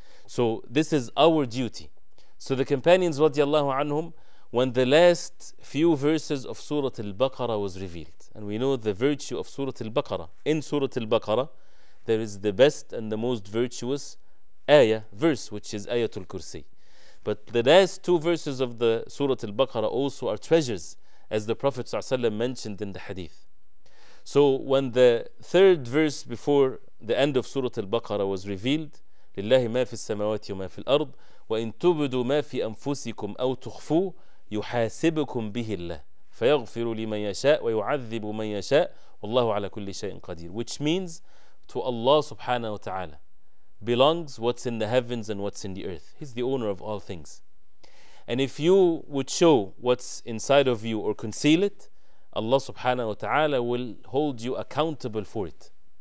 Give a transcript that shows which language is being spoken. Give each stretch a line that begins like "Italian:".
English: So this is our duty. So the companions radiallahu anhum, when the last few verses of Surah Al-Baqarah was revealed, and we know the virtue of Surah Al-Baqarah, in Surah Al-Baqarah there is the best and the most virtuous ayah, verse, which is Ayatul Kursi. But the last two verses of the Surah Al-Baqarah also are treasures, as the Prophet ﷺ mentioned in the hadith. So when the third verse before the end of Surah Al-Baqarah was revealed,
Arabic: لِلَّهِ مَا فِي السَّمَوَاتِ وَمَا فِي الْأَرْضِ وَإِنْ تُبْدُوا مَا فِي أَنفُسِكُمْ أَوْ تُخْفُوا يُحَاسِبُكُمْ بِهِ اللَّهِ فَيَغْفِرُ لِمَنْ يَشَاءُ وَيُعَذِّبُ مَنْ يَشَاءُ وَاللَّهُ عَلَى كُلِّ شَيْءٍ قَدِيرٌ.
English: Which means, to Allah subhanahu wa ta'ala belongs what's in the heavens and what's in the earth. He's the owner of all things. And if you would show what's inside of you or conceal it, Allah subhanahu wa ta'ala will hold you accountable for it.